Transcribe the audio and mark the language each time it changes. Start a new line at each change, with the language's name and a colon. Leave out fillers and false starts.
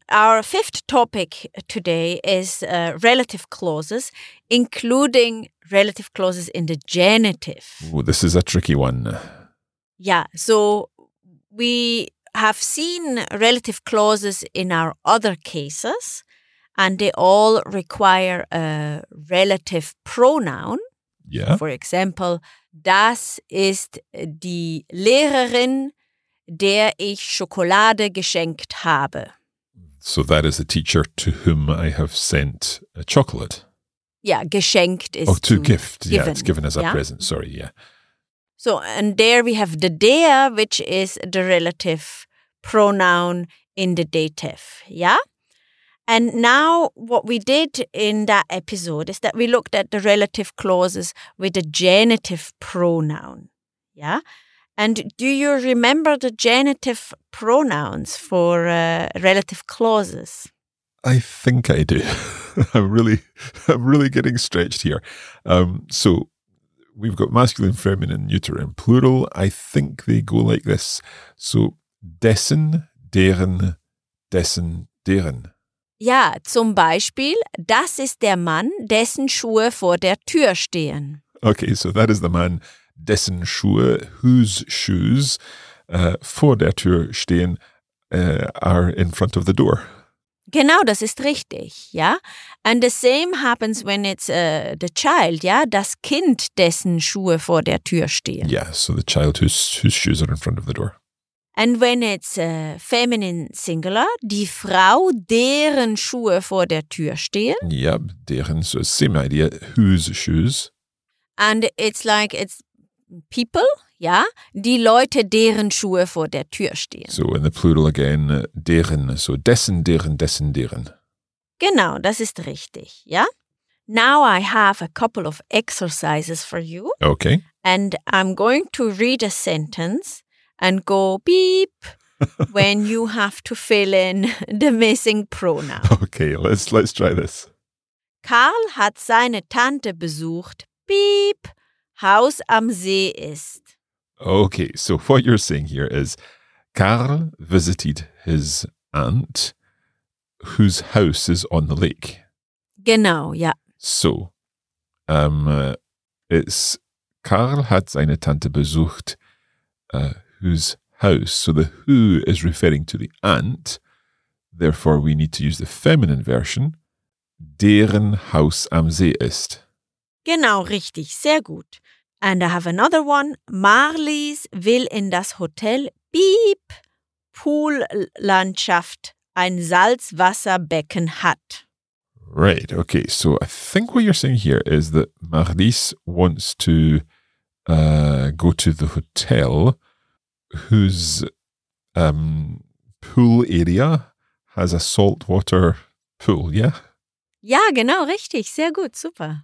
English: Our fifth topic today is relative clauses, including relative clauses in the genitive. Ooh, this is a tricky one. Yeah, so we have seen relative clauses in our other cases, and they all require a relative pronoun. Yeah. For example,
German: das ist die Lehrerin, der ich Schokolade geschenkt habe.
English: So that is the teacher to whom I have sent a chocolate. Yeah, geschenkt is to gift. Given. Yeah, it's given as a present. Sorry, yeah. So, and there we have the der, which is the relative pronoun in the dative. Yeah? And now what we did in that episode is that we looked at the relative clauses with the genitive pronoun. Yeah? And do you remember the genitive pronouns for relative clauses? I think I do. I'm really getting stretched here. So we've got masculine, feminine, neuter, and plural. I think they go like this.
German: So dessen, deren, dessen, deren. Ja, zum Beispiel, das ist der Mann, dessen Schuhe vor der Tür stehen.
English: Okay, so that is the man,
German: dessen Schuhe,
English: whose shoes
German: vor der Tür stehen,
English: are in front of the door.
German: Genau, das ist richtig, ja.
English: And the same happens when it's the child, ja,
German: das Kind, dessen Schuhe vor der Tür stehen.
English: Yeah, so the child whose shoes are in front of the door. And when it's feminine singular,
German: die Frau, deren Schuhe vor der Tür stehen.
English: Yep, deren, so same idea, whose shoes. And it's like, it's people, yeah?
German: Die Leute, deren Schuhe vor der Tür stehen.
English: So in the plural again, deren, so
German: dessen, deren, dessen, deren. Genau, das ist richtig, ja?
English: Yeah? Now I have a couple of exercises for you. Okay. And I'm going to read a sentence and go beep when you have to fill in the missing pronoun. Okay, let's try this.
German: Karl hat seine Tante besucht. Beep. Haus am See ist.
English: Okay, so what you're saying here is Karl visited his aunt whose house is on the lake. Genau, ja. So, it's Karl hat seine Tante besucht. Whose house? So the who is referring to the aunt. Therefore, we need to use the feminine version.
German: Deren Haus am See ist. Genau, richtig. Sehr gut.
English: And I have another one.
German: Marlies will in das Hotel, beep, Poollandschaft, ein Salzwasserbecken hat.
English: Right, okay. So I think what you're saying here is that Marlies wants to go to the hotel whose pool area has a saltwater pool, yeah?
German: Ja, genau, richtig. Sehr gut, super.